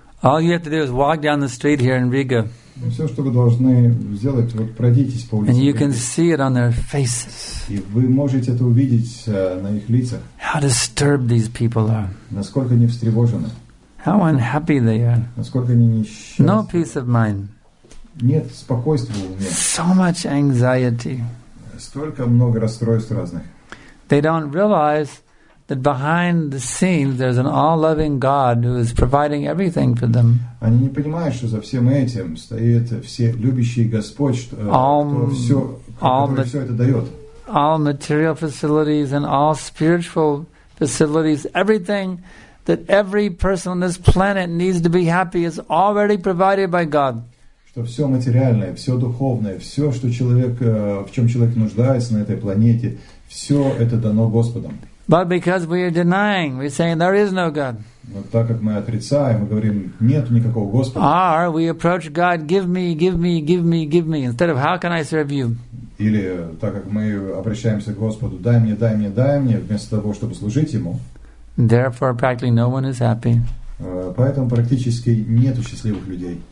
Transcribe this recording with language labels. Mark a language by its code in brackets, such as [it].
[en] All you have to do is walk down the street here in Riga. [ru] Все, что вы должны сделать, вот пройдитесь по улице. [en] And you can see it on their faces. [ru] И вы можете это увидеть на их лицах. [en] How disturbed these people are. [ru] Насколько они встревожены. [en] How unhappy they are. [ru] Насколько они несчастны. [en] No peace of mind. [ru] Нет спокойствия у них. [en] So much anxiety. [ru] Столько много расстройств разных. [en] They don't realize that behind the scenes there's an all-loving God who is providing everything for them. [ru] Они не понимают, что за всем этим стоит вселюбящий Господь, который все это дает. [en] All material facilities and all spiritual facilities, everything that every person on this planet needs to be happy is already provided by God. [ru] Что все материальное, все духовное, все, что человек, в чем человек нуждается на этой планете, все это дано Господом. [en] But because we are denying, we're saying there is no God. [ru] Вот так как мы отрицаем, мы говорим, нет никакого Господа. [en] Or we approach God, give me, give me, give me, give me, instead of how can I serve you? [ru] Или так как мы обращаемся к Господу, дай мне, дай мне, дай мне, вместо того, чтобы служить Ему. [en] Therefore, practically no one is happy. [ru] Поэтому практически нету счастливых людей.